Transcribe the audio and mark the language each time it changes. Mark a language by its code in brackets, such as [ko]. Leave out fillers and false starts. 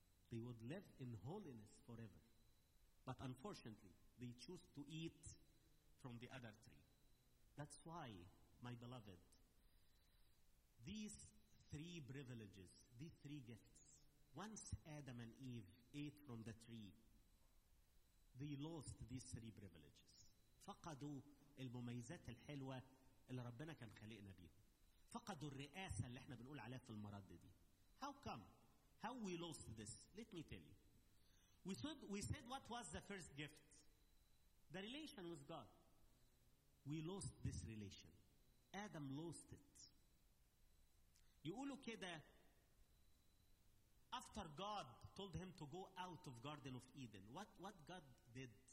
[en] They would live in holiness forever. But unfortunately, they choose to eat from the other tree. That's why, my beloved, these three privileges, these three gifts, once Adam and Eve ate from the tree, they lost these three privileges. [ar] فقدوا المميزات الحلوة اللي ربنا كان خلقنا بيها. فقدوا الرئاسة اللي احنا بنقول عليها في المرد دي. [en] How come? How we lost this? Let me tell you. We said what was the first gift? The relation with God. We lost this relation. Adam lost it. [ar] يقولوا كده, [en] after God told him to go out of Garden of Eden, what God did?